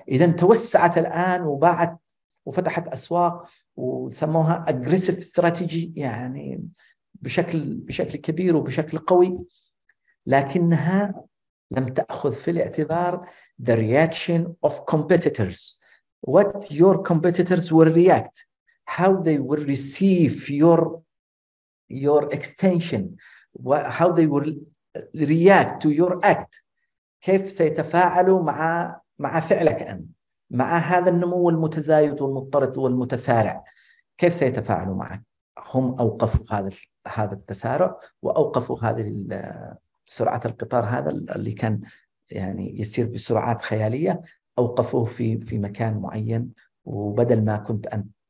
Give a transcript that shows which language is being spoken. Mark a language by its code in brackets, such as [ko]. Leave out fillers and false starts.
[ar] اذا توسعت الان وباعت وفتحت اسواق وسموها اجريسيف استراتيجي، يعني بشكل كبير وبشكل قوي، لكنها لم تأخذ في الاعتبار [en] the reaction of competitors. What your competitors will react, how they will receive your extension, how they will react to your act. [ar] كيف سيتفاعلوا مع فعلك أنت، مع هذا النمو المتزايد والمضطرد والمتسارع، كيف سيتفاعلوا معك؟ هم أوقفوا هذا التسارع، وأوقفوا هذه سرعه القطار هذا اللي كان يعني يسير بسرعات خياليه، اوقفوه في مكان معين، وبدل ما كنت انت